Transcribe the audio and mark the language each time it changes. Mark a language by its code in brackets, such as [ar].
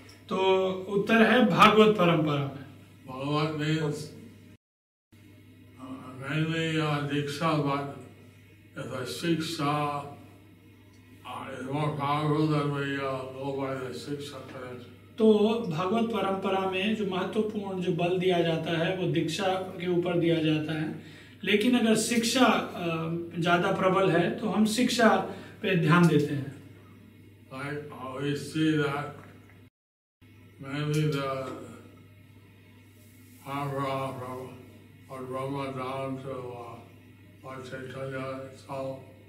[hi] To uttar hai Bhagavat parampara mein. [en] Bhagavat means mainly Diksha, but if a Siksha is more powerful, then we go by the Siksha tradition. [hi] तो भागवत परंपरा में जो महत्वपूर्ण जो बल दिया जाता है वो दीक्षा के ऊपर दिया जाता है, लेकिन अगर शिक्षा ज्यादा प्रबल है तो हम शिक्षा पे ध्यान देते हैं. [en] I always see that mainly the Mahabharata or Ramadan to Vaishnava is all